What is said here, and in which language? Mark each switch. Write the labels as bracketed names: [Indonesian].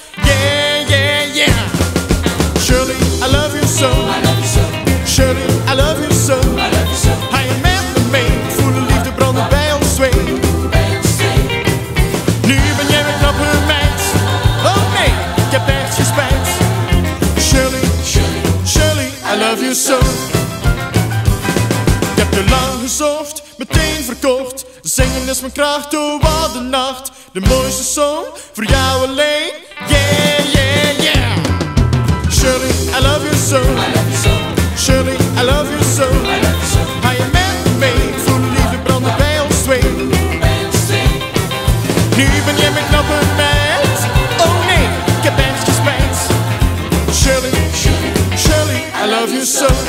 [English] Yeah, yeah, yeah. Shirley, I love you so. Shirley, I love you so. [Dutch] Hij en met me mee. Voel de liefde branden bij ons twee. Nu ben jij weer knappe meid. Oh nee, ik heb echt geen spijt. [English] Shirley, Shirley, I love you so. [Dutch] Ik heb je lang gezocht, meteen verkocht. Zingen is mijn kracht, oh wat de nacht. De mooiste song, voor jou alleen. Yeah, yeah, yeah. [English] Shirley, I love you so. Shirley, I love you so. [Dutch] Ga je met me mee, voel de liefde branden bij ons twee. Nu ben jij mijn knappe meid. Oh nee, ik heb echt gespijt. [English] Shirley, Shirley, I love you so.